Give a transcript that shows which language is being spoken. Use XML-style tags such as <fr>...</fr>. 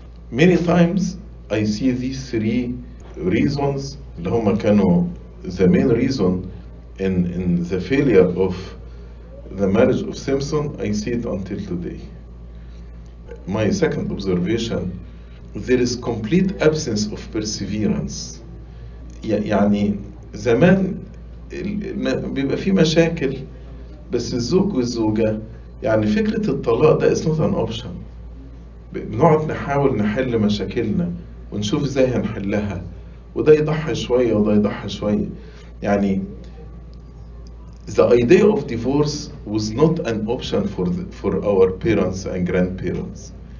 <en>Many times I see these 3 reasons, the main reason in the failure of the marriage of Simpson, I see it until today. My second observation, there is complete absence of perseverance.</en> <ar>يعني زمان بيبقى في مشاكل، بس الزوج والزوجة يعني فكرة الطلاق ده</ar> <en>is not an option.</en> <ar>بنقعد نحاول نحل مشاكلنا ونشوف ازاي هنحلها وده يضحي شوية وده يضحي شوية.</ar> <en>يعني the idea of divorce was not an option for the, for our parents and grandparents.</en>